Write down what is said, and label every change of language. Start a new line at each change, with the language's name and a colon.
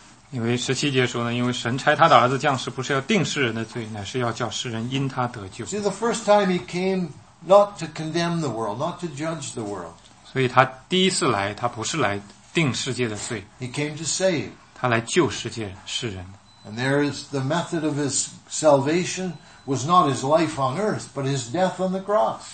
Chinese: 因为十七节说呢，因为神差他的儿子降世，不是要定世人的罪，乃是要叫世人因他得救。
English: See, the first time he came not to condemn the world, not to judge the world.
Chinese: 所以他第一次来，他不是来定世界的罪。
English: He came to save.
Chinese: 他来救世界世人。
English: And there is the method of his salvation was not his life on earth, but his death on the cross.